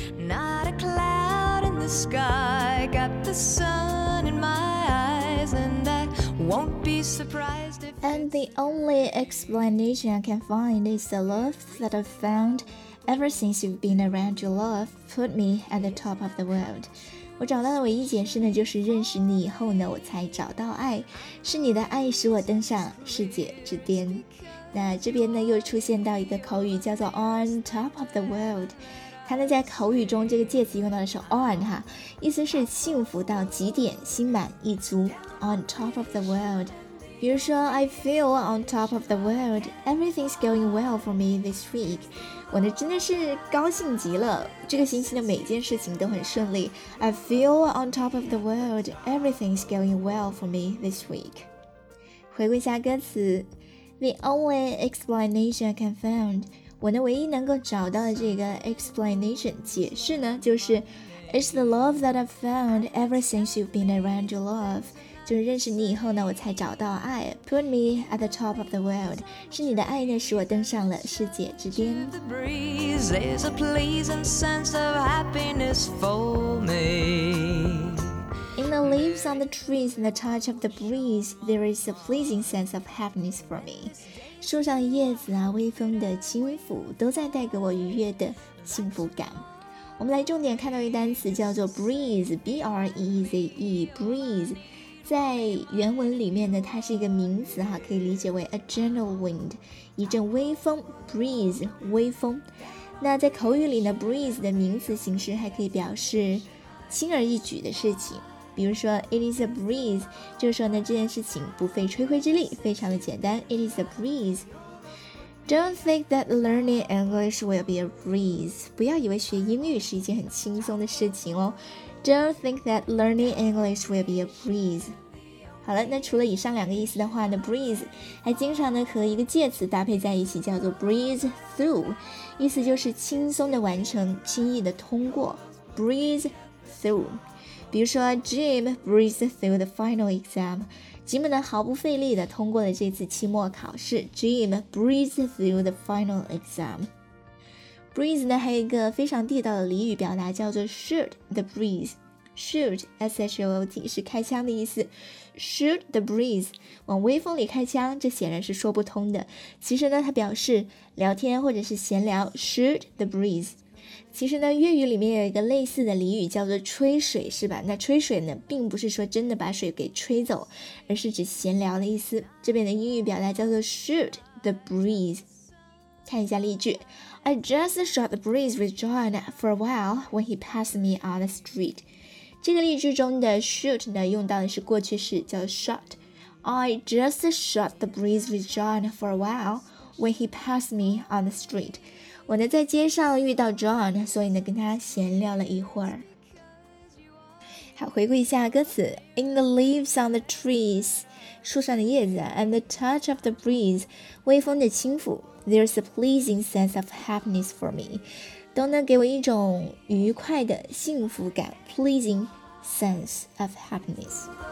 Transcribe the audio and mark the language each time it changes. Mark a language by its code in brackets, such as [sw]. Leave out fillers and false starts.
[en] Not a cloud in the sky， got the sun in my eyes and I won't be surprised if。 And the only explanation I can find is the love that I've found. Ever since you've been around, your love put me at the top of the world. [zh] 我找到的唯一解释呢，就是认识你以后呢，我才找到爱。是你的爱使我登上世界之巅。那这边呢，又出现到一个口语叫做 [en] on top of the world。 [zh] 它呢，在口语中这个介词用到的是 on 哈，意思是幸福到极点，心满意足 [en] on top of the world。比如说 I feel on top of the world. Everything's going well for me this week. [zh] 我呢真的是高兴极了，这个星期的每件事情都很顺利。 [en] I feel on top of the world. Everything's going well for me this week. [zh] 回顾一下歌词 [en] The only explanation I can find. [zh] 我呢唯一能够找到的这个 [en] explanation [zh] 解释呢，就是 [en] It's the love that I've found ever since you've been around your love. [zh] 就是认识你以后呢，我才找到爱。 [en] Put me at the top of the world， [zh] 是你的爱呢，使我登上了世界之巅。 [en] The breeze is a pleasing sense of happiness for me. In the leaves on the trees and the touch of the breeze, there is a pleasing sense of happiness for me. [zh] 树上叶子啊，微风的轻抚，都在带给我愉悦的幸福感。我们来重点看到一单词，叫做 breeze， B-R-E-Z-E， breeze。在原文里面呢，它是一个名词哈，可以理解为 [en] a gentle wind， [zh] 一阵微风 breeze， 微风。那在口语里呢， breeze 的名词形式还可以表示轻而易举的事情，比如说 [en] it is a breeze， [zh] 就是说呢这件事情不费吹灰之力，非常的简单。 [en] It is a breeze. Don't think that learning English will be a breeze. [zh] 不要以为学英语是一件很轻松的事情哦。 [en] Don't think that learning English will be a breeze. [zh] 好了，那除了以上两个意思的话呢 ，breeze 还经常呢和一个介词搭配在一起，叫做 [en] breeze through， [zh] 意思就是轻松的完成，轻易的通过。 Breeze through， 比如说 [en] Jim breezed through the final exam， [zh] 吉姆呢毫不费力的通过了这次期末考试。 [en] Jim breezed through the final exam。 [zh] Breeze 呢还有一个非常地道的俚语表达，叫做 [en] shoot the breeze。 [zh] shoot S-H-O-O-T 是开枪的意思， [en] shoot the breeze [zh] 往微风里开枪，这显然是说不通的。其实呢它表示聊天或者是闲聊， [en] shoot the breeze。 [zh] 其实呢粤语里面有一个类似的俚语叫做吹水，是吧？那吹水呢并不是说真的把水给吹走，而是指闲聊的意思。这边的英语表达叫做 [en] shoot the breeze。 [zh] 看一下例句， [en] I just shot the breeze with John for a while when he passed me on the street. [zh] 这个例句中的 shoot 呢用到的是过去式，叫 shot. [en] I just shot the breeze with John for a while when he passed me on the street. [zh] 我呢在街上遇到 John, 所以呢跟他闲聊了一会儿。好，回顾一下歌词。 [en] In the leaves on the trees, [zh] 树上的叶子 [en] and the touch of the breeze, [zh] 微风的轻抚 [en] there's a pleasing sense of happiness for me. [zh] 都能给我一种愉快的幸福感 [en] pleasing sense of happiness.